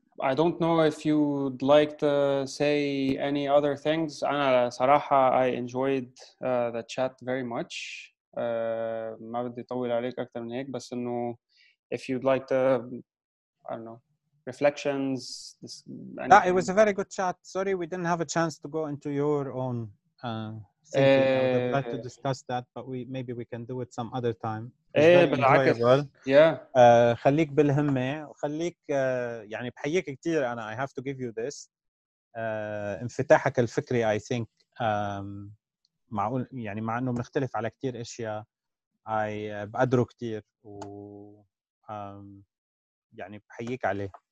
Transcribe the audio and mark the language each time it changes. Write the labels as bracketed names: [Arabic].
[English] I don't know if you'd like to say any other things. [Arabic] أنا صراحة [English] I enjoyed the chat very much. [Arabic] ما بدي طول عليك أكثر من هيك, بس إنه [English] if you'd like to, I don't know, reflections. No, it was a very good chat. Sorry, we didn't have a chance to go into your own thinking. I'd like to discuss that, but maybe we can do it some other time. [Arabic] ايه بالعكس. [English] Yeah. [Arabic] خليك بالهمة وخليك يعني بحييك كتير. أنا [English] I have to give you this. [Arabic] انفتاحك الفكري [English] I think [Arabic] معقول يعني مع أنه بنختلف على كتير أشياء اي بقدره كثير و يعني بحييك عليه.